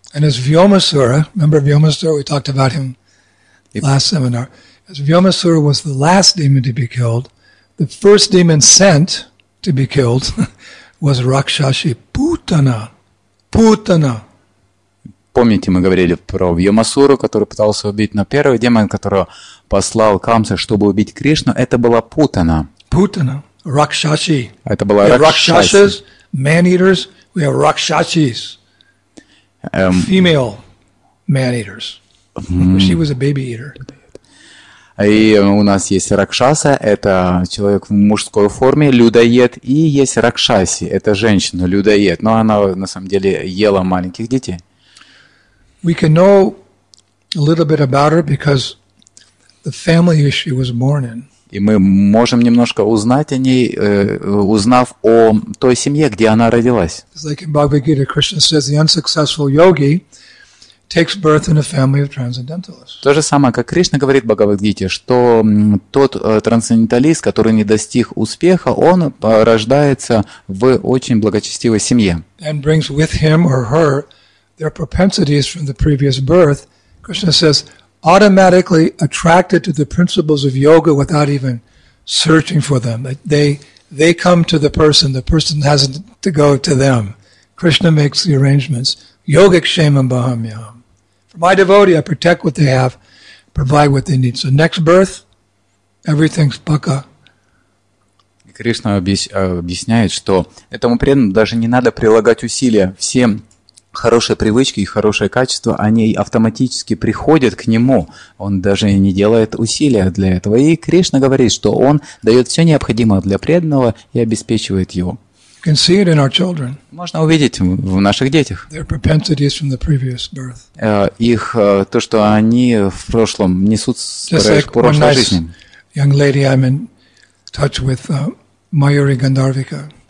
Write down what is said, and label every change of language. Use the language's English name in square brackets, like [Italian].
[English] And as Vyomasura, remember Vyomasura, we talked about him last seminar. As Vyomasura was the last demon to be killed, the first demon sent to be killed was Rakshashi Putana. Putana. [Russian] Помните, мы говорили про Вьомасуру, который пытался убить, но первый демон, которого послал Камса, чтобы убить Кришну, это была Путана. Путана. Ракшаши. Это была Ракшаши. Ракшашис, [English] man-eaters, we have Ракшашис. Female man-eaters. She was a baby-eater. [Russian] И у нас есть ракшаса, это человек в мужской форме, людоед, и есть ракшаси, это женщина, людоед, но она на самом деле ела маленьких детей. [English] We can know a little bit about her because the family she was born in. [Russian] И мы можем немножко узнать о ней, узнав о той семье, где она родилась. [English] It's like in Bhagavad Gita, Krishna says, the unsuccessful yogi takes birth in a family of transcendentalists. [Russian] То же самое, как Кришна говорит в Бхагавад-гите, что тот трансценденталист, который не достиг успеха, он рождается в очень благочестивой семье. [English] And brings with him or her their propensities from the previous birth. Krishna says, automatically attracted to the principles of yoga without even searching for them. They come to the person has to go to them. Krishna makes the arrangements. [Sanskrit] Yogik shemam bahamyam. [English] For my devotee, I protect what they have, provide what they need. So next birth, everything's paka. [Russian] Кришна объясняет, что этому преданному даже не надо прилагать усилия. Все хорошие привычки и хорошее качество, они автоматически приходят к нему. Он даже не делает усилия для этого. И Кришна говорит, что он дает все необходимое для преданного и обеспечивает его. [English] You can see it in our children. [Russian] Можно увидеть в наших детях. [English] Their propensities from the previous birth. [Russian] Их то, что они в прошлом несут в прошлой жизни. [English] Just like one nice young lady I'm in touch with, Mayuri Gandharvika.